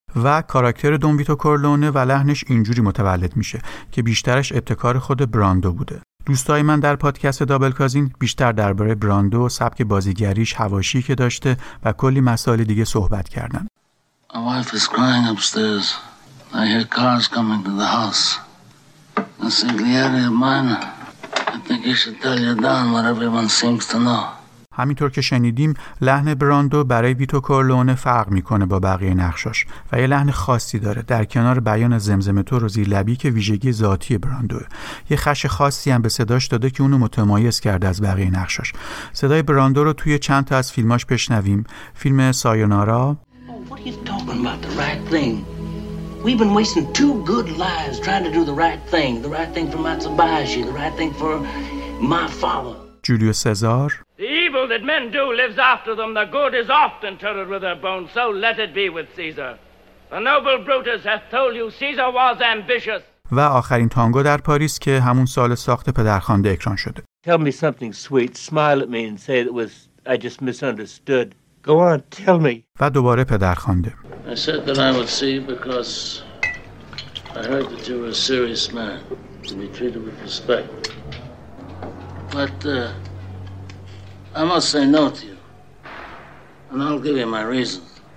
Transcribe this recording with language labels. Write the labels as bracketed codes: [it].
[fa] و کاراکتر دون ویتو کورلونه و لحنش اینجوری متولد میشه که بیشترش ابتکار خود براندو بوده. دوستای من در پادکست دابل کازین بیشتر درباره براندو، سبک بازیگریش، حواشی که داشته و کلی مسائل دیگه صحبت کردن. [en] My wife is crying upstairs. I hear cars coming to the house. I think you're mine. I think you should tell your dad what everyone seems to know. [fa] همینطور که شنیدیم لحن براندو برای ویتو کورلونه فرق میکنه با بقیه نقشاش و یه لحن خاصی داره در کنار بیان زمزمه تور و زیر لبی که ویژگی ذاتی براندو. یه خش خاصی هم به صداش داده که اونو متمایز کرده از بقیه نقشاش. صدای براندو رو توی چند تا از فیلماش بشنویم. فیلم سایونارا. [en] We've been wasting two good lives trying to do the right thing for Matsubashi, the right thing for my father. [fa] Julio Cesar. [en] The evil that men do lives after them. The good is often turned with their bones. So let it be with Caesar. The noble Brutus hath told you Caesar was ambitious. [fa] و آخرین تانگو در پاریس که همون سال ساخت پدرخوانده اکران شده. [en] Tell me something sweet. Smile at me and say that was I just misunderstood. Go on, tell me. [fa] و دوباره پدرخوانده. [en] I said that I would see because I heard that you were a serious man to be treated with respect. But I must say no to you, and I'll give you my reasons.